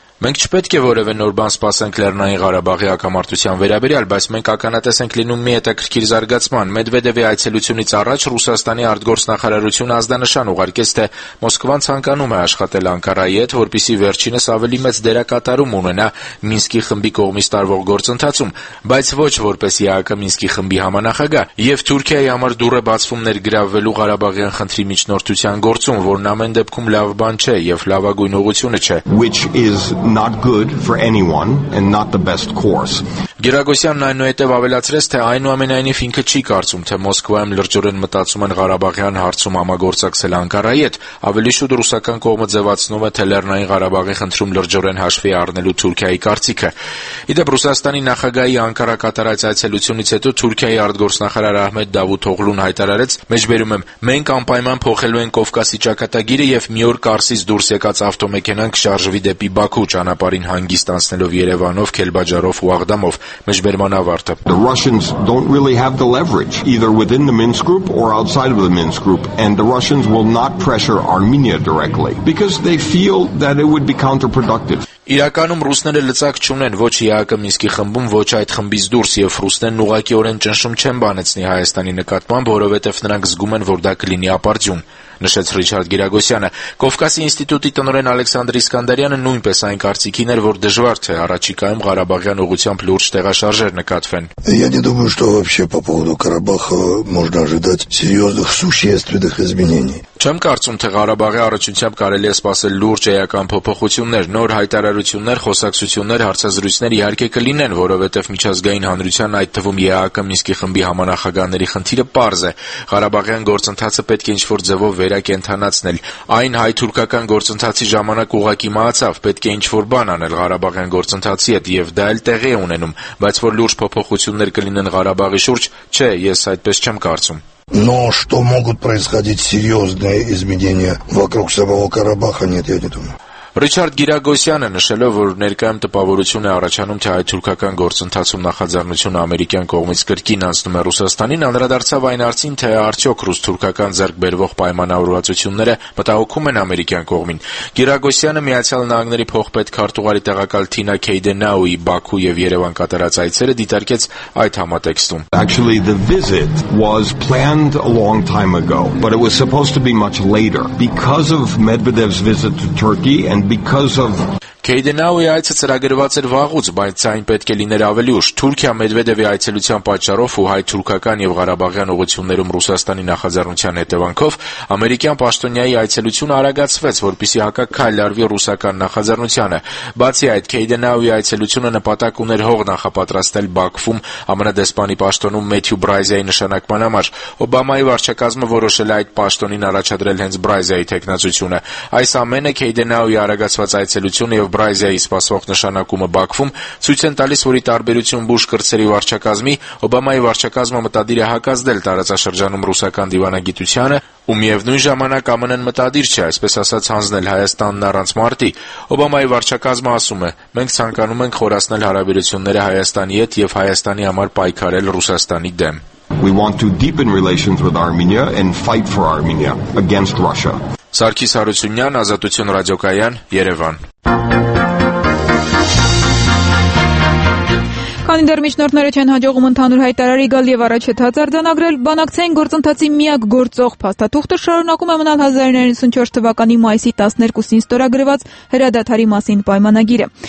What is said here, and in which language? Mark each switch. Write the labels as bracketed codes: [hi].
[hy] Մենք չպետք է որևէ նոր բան սպասենք Լեռնային Ղարաբաղի հակամարտության վերաբերյալ, բայց մենք ականատես ենք լինում մի հետաքրքիր զարգացման։ Մեդվեդևի այցելությունից առաջ Ռուսաստանի արտգործնախարարությունը ազդանշան ուղարկեց, թե Մոսկվան ցանկանում է աշխատել Անկարայի հետ, որպիսի վերջինս ավելի մեծ դերակատարում ունենա Մինսկի խմբի կողմից տարվող գործընթացում, բայց ոչ որպես ԵԱԿ-ի Մինսկի խմբի համանախագահ, եւ Թուրքիայի համար դուրը բացվում ներգրավվելու Ղարաբաղյան խնդրի միջնորդության գործում, որն ամեն դեպքում լավ բան չէ եւ լավագույն ուղղությունը չէ. [en] Not good for anyone and not the best course. [hy] Գերագոսյանն այնուհետև ավելացրեց, թե այնուամենայնիվ ինքը չի կարծում, թե Մոսկվայում լրջորեն մտածում են Ղարաբաղյան հարցում համագործակցել Անկարայի հետ, ավելի շուտ ռուսական կողմը ձևացնում է, թե Լեռնային Ղարաբաղի խնդրում լրջորեն հաշվի առնելու Թուրքիայի կարծիքը։ Իդեպ Ռուսաստանի նախագահի Անկարա կատարած այցելությունից հետո Թուրքիայի արտգործնախարար Ահմեդ Դավութոգլուն հայտարարեց. Մեջբերում եմ. Մենք անպայման փոխելու ենք Կովկասի ճակատագիրը եւ մի օր Կարսից դուրս եկած ավտոմեքենան կշարժվի դեպի Բաքու ճանապարհին հանգիստ անցնելով Երևանով, Քելբաջարով ու Աղդամով։ Մեջբերման ավարտը. [en] The Russians don't really have the leverage either within the Minsk group or outside of the Minsk group, and the Russians will not pressure Armenia directly because they feel that it would be counterproductive. [hy] Իրականում ռուսները լծակ չունեն ոչ ԵԱԿ-ի Մինսկի խմբում, ոչ այդ խմբից դուրս, եւ ռուսներն ուղղակիորեն ճնշում չեն բանեցնի Հայաստանի նկատմամբ, որովհետեւ նրանք զգում են, որ դա կլինի ապարդյուն, նշեց Ռիչարդ Գիրագոսյանը։ Կովկասի ինստիտուտի տնօրեն Ալեքսանդր Իսկանդարյանը նույնպես այն կարծիքին էր, որ դժվար թե առաջիկայում Ղարաբաղյան ուղղությամբ լուրջ տեղաշարժեր նկատվեն։ [ru] Я не думаю, что вообще по поводу Карабаха можно ожидать серьёзных существенных изменений. [hy] Չեմ կարծում, թե Ղարաբաղի առաջությամբ կարելի է սպասել լուրջ ԵԱԿ-ի փոփոխություններ, նոր հայտարարություններ, խոսակցություններ, հարցազրույցներ իհարկե կլինեն, որովհետև միջազգային հանրության, այդ թվում ԵԱԿ-ի Մինսկի խմբի համանախագահների խնդիրը պարզ է. Ղարաբաղյան գործընթացը պետք է ինչ-որ ձևով վերակենդանացնել։ Այն հայ-թուրքական գործընթացի ժամանակ ուղղակի մահացավ, պետք է ինչ-որ բան անել Ղարաբաղյան գործընթացի հետ, եւ դա էլ տեղի է ունենում, բայց որ լուրջ փոփոխություններ կլինեն Ղարաբաղի շուրջ, չէ, ես այդպես չեմ կարծում. [ru] Но что могут происходить серьёзные изменения вокруг самого Карабаха, нет, я не думаю. [hy] Ռիչարդ Գիրագոսյանը նշելով, որ ներկայում տպավորություն է առաջանում, թե հայ-թուրքական գործընթացում նախաձեռնությունը ամերիկյան կողմից կրկին անցնում է Ռուսաստանին, անդրադարձավ այն արձին, թե արդյոք ռուս-թուրքական ձեռքբերվող պայմանավորվածությունները մտահոգում են ամերիկյան կողմին։ Գիրագոսյանը Միացյալ Նահանգների փոխպետ քարտուղարի տեղակալ Թինա Քեյդենաուի Բաքու եւ Երևան կատարած այցերը դիտարկեց այդ համատեքստում։ [en] Actually the visit was planned a long time ago, but it was supposed to be much later because of Medvedev's visit to Turkey. And because of [hy] Քեյդենաուի այցը ծրագրված էր վաղուց, բայց այն պետք է լիներ ավելի ուշ։ Թուրքիա Մեդվեդևի այցելության պատճառով ու հայ-թուրքական եւ Ղարաբաղյան ուղղություններում Ռուսաստանի նախաձեռնության հետևանքով ամերիկյան պաշտոնյայի այցելությունը արագացվեց, որպեսզի հակակայել արվի ռուսական նախաձեռնությանը։ Բացի այդ, Քեյդենաուի այցելությունը նպատակ ուներ հող նախապատրաստել Բաքվում ԱՄՆ-դեսպանի պաշտոնում Մեթյու Բրայզիայի նշանակման համար։ Օբամայի վարչակազմը որոշել է այդ պաշտոնին առաջադրել հենց Բրայզիայի տեխնացությունը։ Այս ամենը Քեյդենաուի արագացված այցելությունը և Բրայզիայի սպասվող նշանակումը Բաքվում ցույց են տալիս, որի տարբերություն Բուշ կրտսերի վարչակազմի, Օբամայի վարչակազմը մտադիր է հակազդել տարածաշրջանում ռուսական դիվանագիտությանը, ու միևնույն ժամանակ ԱՄՆ-ն մտադիր չէ, այսպես ասած, հանձնել Հայաստանն առանց մարտի։ Օբամայի վարչակազմը ասում է. «Մենք ցանկանում ենք խորացնել հարաբերությունները Հայաստանի հետ և Հայաստանի համար պայքարել Ռուսաստանի դեմ»։ [en] We want to deepen relations with Armenia and fight for Armenia against Russia. [hy] Սարգիս Հարությունյան, Ազատություն ռադիոկայան, Երևան։ Քանի դեռ միջնորդները չեն հաջողում ընդհանուր հայտարարի գալ եւ առաջընթաց արձանագրել, բանակցային գործընթացի միակ գործող փաստաթուղթը շարունակում է մնալ 1994 թվականի մայիսի 12-ին ստորագրված հրադադարի մասին պայմանագիրը։